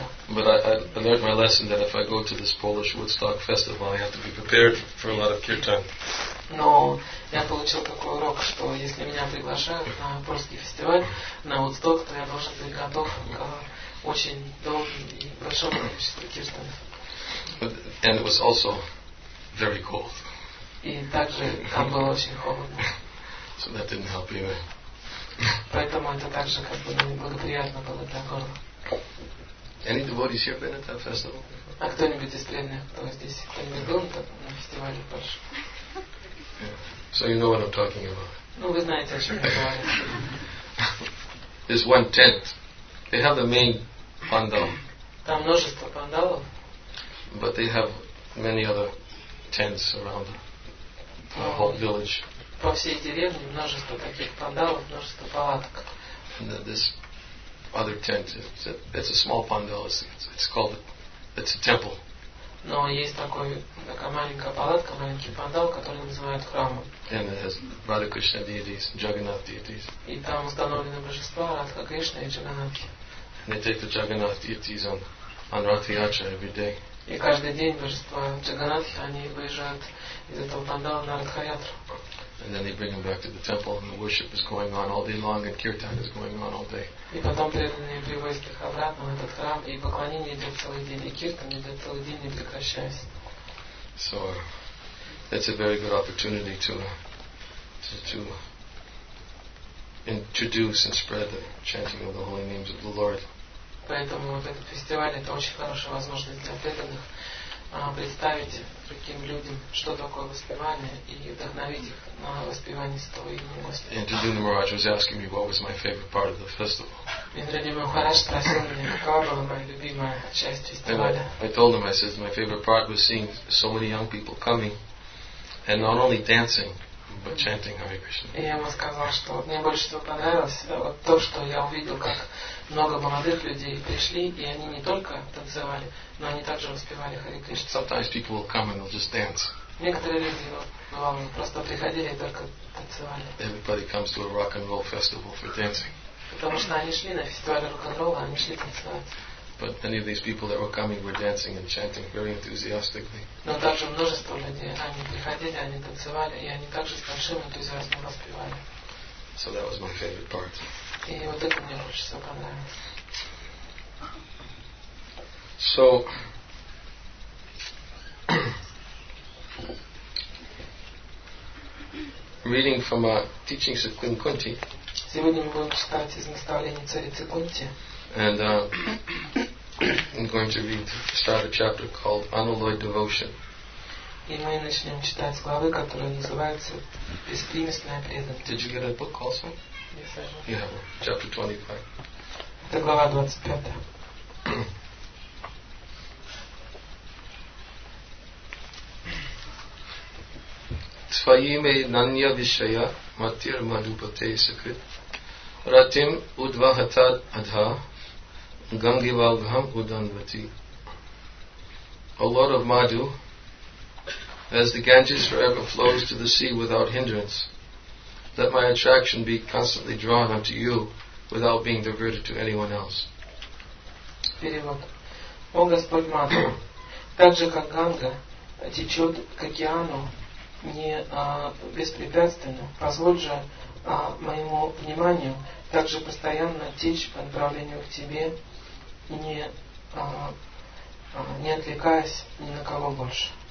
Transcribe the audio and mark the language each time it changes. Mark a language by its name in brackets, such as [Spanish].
[English] But I learned my lesson that if I go to this Polish Woodstock festival, I have to be prepared for a lot of kirtan. [Russian] No, я получил такой урок, что если меня приглашают на польский фестиваль на Woodstock, то я должен быть готов к очень долгим и большим количеством киртан. [English] And it was also very cold. [Russian] И также там было очень холодно. [English] So that didn't help either. [Russian] Поэтому это также как бы неблагоприятно было для горла. [English] Any devotees here been at that festival? [Russian] А кто-нибудь из пленных, кто здесь, кто-нибудь был на фестивале Польши? [English] So you know what I'm talking about. [Russian] Ну, вы знаете, о чем я говорю. [English] There's one tent. They have the main pandal. [Russian] Там множество пандалов. [English] But they have many other tents around the whole village. [Russian] По всей деревне множество таких пандалов, множество палаток. [English] And this other tent, it's a small pandal, it's called a temple. [Russian] Но есть такая маленькая палатка, маленький пандал, который называют храмом. [English] And it has Radha Krishna deities, Jagannath deities. [Russian] И там установлены божества Радха Кришна и Джаганатхи. [English] And they take the Jagannath deities on Ratha Yatra every day. [Russian] И каждый день божества Джаганатхи, они выезжают из этого пандала на Радха Ятру. [English] And then they bring him back to the temple, and the worship is going on all day long, and kirtan is going on all day. [Russian] И потом преданные привозят их обратно в этот храм, и поклонение идет целый день, и киртан идет целый день, не прекращаясь. [English] So that's a very good opportunity to introduce and spread the chanting of the holy names of the Lord. [Russian] Поэтому вот этот фестиваль это очень хорошая возможность для преданных. Представить другим людям, что такое воспевание, и вдохновить их на воспевание своего имя. Индрадюна Махарадж спросил меня, какова была моя любимая часть фестиваля. [English] I told him, I said, my favorite part was seeing so many young people coming, and not only dancing, but chanting Hare Krishna. [Russian] И я ему сказал, что мне больше всего понравилось вот то, что я увидел, как много молодых людей пришли, и они не только танцевали, но они также воспевали Хари Кришну. [English] Sometimes people will come and they'll just dance. [Russian] Некоторые люди, бывало, просто приходили и только танцевали. [English] Everybody comes to a rock and roll festival for dancing. [Russian] Потому что они шли на фестиваль рок-н-ролла, они шли танцевать. [English] But many of these people that were coming were dancing and chanting very enthusiastically. [Russian] Но также множество людей, они приходили, они танцевали, и они также с большим энтузиазмом воспевали. [English] So that was my favorite part. [Russian] И вот это мне больше всего понравилось. [English] So reading from a teachings of Queen Kunti. [Russian] Сегодня мы будем читать из наставлений царицы Кунти. [English] And I'm going to read start a chapter called Unalloyed Devotion. [Russian] И мы начнем читать с главы, которая называется Беспримесная преданность. [English] Did you get a book also? Yes, I did. Yeah, chapter 25. [Russian] Это глава 25. [Sanskrit] Tvayime nanya vishaya matir madhupate sakrit ratim udvahatad adha gangivalgham udanvati. [English] O Lord of Madhu, as the Ganges forever flows to the sea without hindrance, let my attraction be constantly drawn unto you without being diverted to anyone else. [Russian] Перевод. О Господь Мадху, так же как Ганга течет к океану, не беспрепятственно, позволь же моему вниманию также постоянно течь по направлению к тебе, не отвлекаясь ни на кого больше.